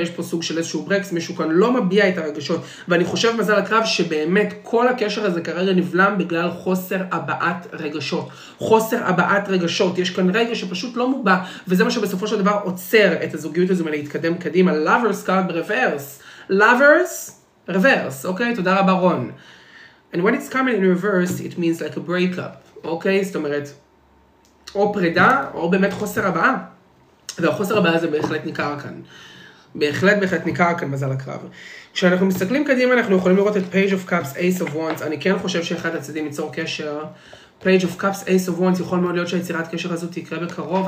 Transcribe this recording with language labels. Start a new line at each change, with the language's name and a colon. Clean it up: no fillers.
Hebrew: יש פה סוג של איזשהו ברקס, מישהו כאן לא מביע את הרגשות, ואני חושב מזל הקרב שבאמת כל הקשר הזה כרגע נבלם בגלל חוסר הבעת רגשות. חוסר הבעת רגשות. יש כאן רגע שפשוט לא מובע, וזה מה שבסופו של דבר עוצר את הזוגיות הזו מלהתקדם קדימה.
English: Lovers card reverse. Lovers reverse,
Hebrew: אוקיי? תודה רבה רון.
English: And when it's coming in reverse, it means like a breakup,
Hebrew: אוקיי? זאת אומרת, או פרידה, או באמת חוסר הבעה. והחוסר הבעיה הזה בהחלט ניכר כאן. בהחלט בהחלט ניכר כאן מזל הקרב. כשאנחנו מסתכלים קדימה, אנחנו יכולים לראות את Page of Cups, Ace of Wands. אני כן חושב שאחד הצדדים ייצור קשר. Page of Cups, Ace of Wands, יכול מאוד להיות שהיצירת קשר הזו תקרה בקרוב.